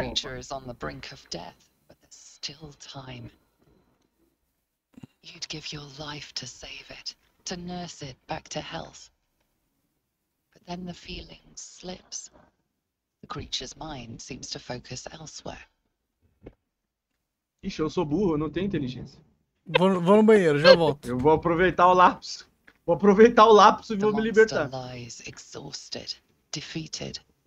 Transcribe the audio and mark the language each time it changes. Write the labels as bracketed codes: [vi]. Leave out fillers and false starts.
[en] Creatures on the brink of death, but there's still time. You'd give your life to save it. To nurse it back to health. But then the feeling slips. The creature's mind seems to focus elsewhere. [pt] Ixi, eu sou burro, eu não tenho inteligência. Vou no banheiro, já volto. Eu vou aproveitar o lapso. Vou aproveitar o lapso e vou me libertar. [en] The monster lies exhausted, defeated.